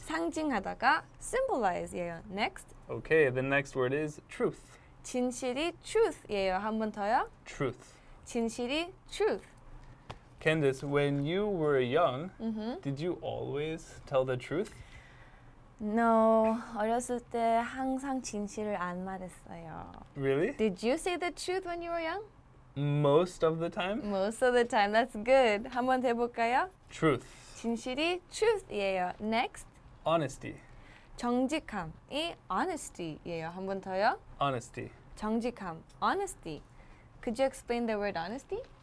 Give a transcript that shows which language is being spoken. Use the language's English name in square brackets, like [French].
[Korean] 상징하다가 symbolize예요. [English] Next. Okay, the next word is truth. [Korean] 진실이 truth예요. 한 번 더요. [English] Truth. [Korean] 진실이 truth. [English] Candice, when you were young, did you always tell the truth? No. [Korean] 어렸을 때 항상 진실을 안 말했어요. [English] Really? Did you say the truth when you were young? Most of the time? Most of the time. That's good. [Korean] 한 번 더 해볼까요? [English] Truth. [Korean] 진실이 truth이에요. [English] Next. honesty. [Korean] 정직함이 honesty예요. 한 번 더요. [English] Honesty. 정직함, honesty. Could you explain the word honesty?